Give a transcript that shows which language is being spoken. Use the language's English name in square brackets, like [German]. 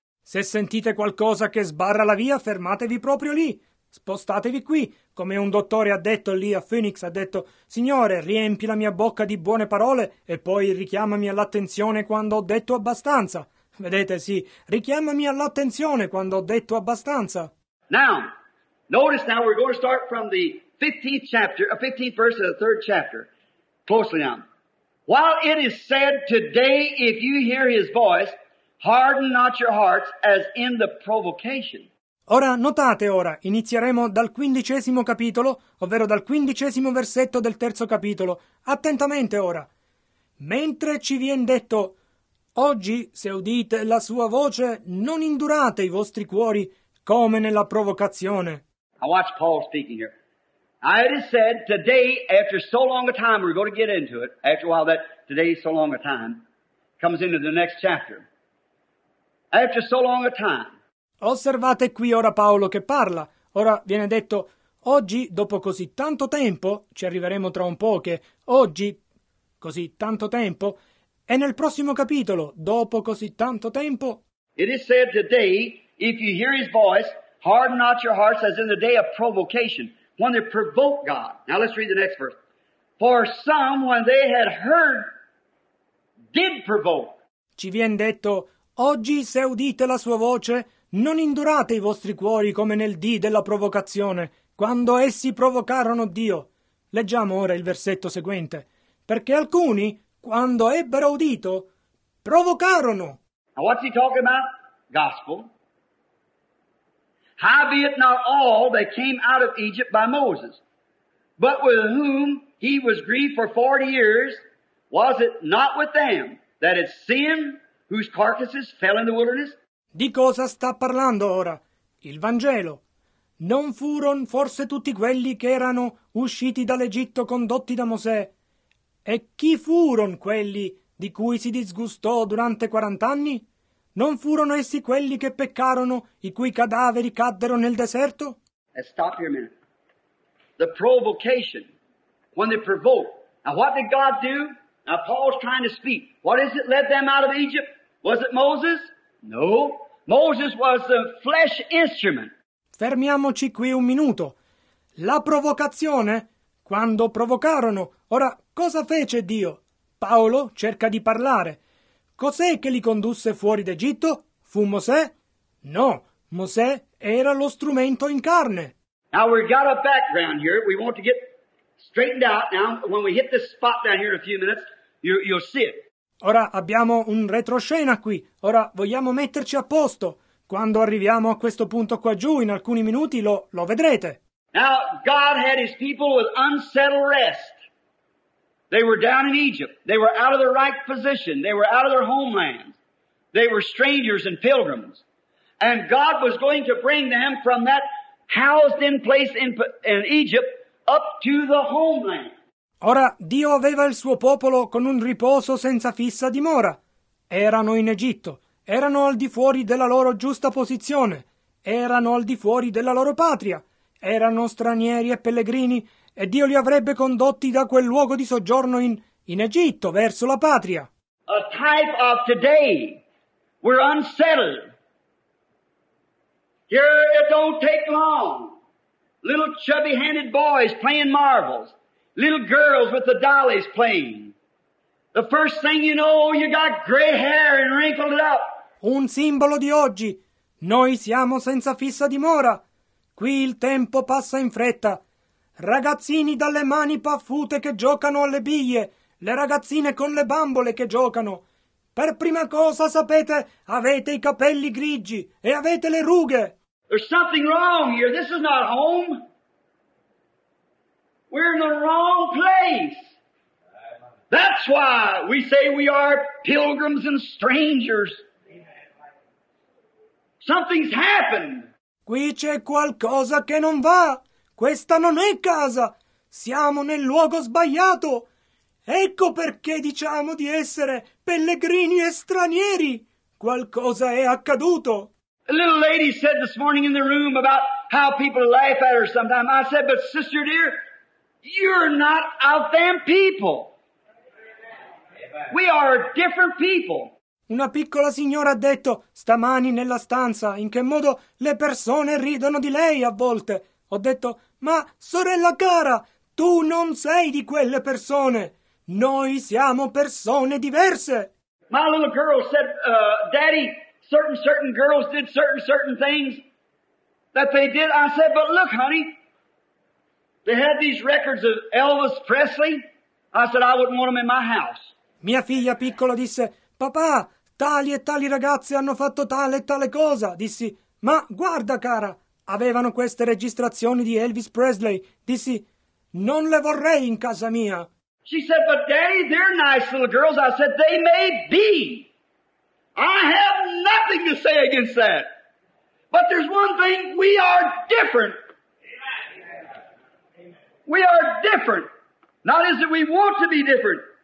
[Italian] Se sentite qualcosa che sbarra la via, fermatevi proprio lì. Spostatevi qui, come un dottore ha detto lì a Phoenix, ha detto, Signore, riempi la mia bocca di buone parole e poi richiamami all'attenzione quando ho detto abbastanza. Vedete, sì, richiamami all'attenzione quando ho detto abbastanza. [English] Now, notice now we're going to start from the 15th chapter, 15th verse of the 3rd chapter. Closely now. While it is said today, if you hear his voice, harden not your hearts as in the provocation. [Italian] Ora, notate ora, inizieremo dal 15° capitolo, ovvero dal 15° versetto del 3° capitolo. Attentamente ora. Mentre ci viene detto, oggi, se udite la sua voce, non indurate i vostri cuori come nella provocazione. [English] I watch Paul speaking here. I had said, today, after so long a time, we're going to get into it, after a while that today so long a time, comes into the next chapter. After so long a time, [Italian] osservate qui ora Paolo che parla. Ora viene detto, oggi, dopo così tanto tempo, ci arriveremo tra un po' che oggi, così tanto tempo, e nel prossimo capitolo, dopo così tanto tempo, [English] it is said today, if you hear his voice, harden not your hearts as in the day of provocation, when they provoke God. Now let's read the next verse. For some, when they had heard, did provoke. [Italian] Ci viene detto, oggi, se udite la sua voce, non indurate i vostri cuori come nel dì della provocazione, quando essi provocarono Dio. Leggiamo ora il versetto seguente. Perché alcuni, quando ebbero udito, provocarono. [English] Now what's he talking about? Gospel. Howbeit not all that came out of Egypt by Moses, but with whom he was grieved for 40 years, was it not with them that had sinned, whose carcasses fell in the wilderness? [Italian] Di cosa sta parlando ora? Il Vangelo. Non furon forse tutti quelli che erano usciti dall'Egitto condotti da Mosè? E chi furon quelli di cui si disgustò durante 40 anni? Non furono essi quelli che peccarono, i cui cadaveri caddero nel deserto? [English] And stop here a minute. The provocation, when they provoked. Now what did God do? Now Paul's trying to speak. What is it led them out of Egypt? Was it Moses? No, Moses was the flesh instrument. [Italian] Fermiamoci qui un minuto. La provocazione, quando provocarono. Ora, cosa fece Dio? Paolo cerca di parlare. Cos'è che li condusse fuori d'Egitto? Fu Mosè? No, Mosè era lo strumento in carne. [English] Now we've got a background here. We want to get straightened out. Now, when we hit this spot down here in a few minutes, you'll see it. [Italian] Ora abbiamo un retroscena qui. Ora vogliamo metterci a posto. Quando arriviamo a questo punto qua giù, in alcuni minuti, lo vedrete. [English] Now, God had his people with unsettled rest. They were down in Egypt. They were out of their right position. They were out of their homeland. They were strangers and pilgrims. And God was going to bring them from that housed in place in Egypt up to the homeland. [Italian] Ora, Dio aveva il suo popolo con un riposo senza fissa dimora. Erano in Egitto. Erano al di fuori della loro giusta posizione. Erano al di fuori della loro patria. Erano stranieri e pellegrini, e Dio li avrebbe condotti da quel luogo di soggiorno in Egitto, verso la patria. [English] A type of today. We're unsettled. Here it don't take long. Little chubby-handed boys playing marbles. Little girls with the dollies playing. The first thing you know, you got gray hair and wrinkled it up. [Italian] Un simbolo di oggi. Noi siamo senza fissa dimora. Qui il tempo passa in fretta. Ragazzini dalle mani paffute che giocano alle biglie. Le ragazzine con le bambole che giocano. Per prima cosa, sapete, avete i capelli grigi e avete le rughe. [English] There's something wrong here. This is not home. We're in the wrong place. That's why we say we are pilgrims and strangers. Something's happened. [Italian] Qui c'è qualcosa che non va. Questa non è casa. Siamo nel luogo sbagliato. Ecco perché diciamo di essere pellegrini e stranieri. Qualcosa è accaduto. [English] A little lady said this morning in the room about how people laugh at her sometimes. I said, but sister dear, you're not of them people. We are different people. [Italian] Una piccola signora ha detto stamani nella stanza in che modo le persone ridono di lei a volte. Ho detto, ma sorella cara, tu non sei di quelle persone. Noi siamo persone diverse. [English] My little girl said, Daddy, certain girls did certain things that they did. I said, but look, honey, they had these records of Elvis Presley. I said, I wouldn't want them in my house. [Italian] Mia figlia piccola disse, papà, tali e tali ragazze hanno fatto tale e tale cosa. Dissi, ma guarda cara, avevano queste registrazioni di Elvis Presley. Dissi, non le vorrei in casa mia. [English] She said, but daddy, they're nice little girls. I said, they may be. I have nothing to say against that. But there's one thing, we are different. We are different. Not as if we want to be different.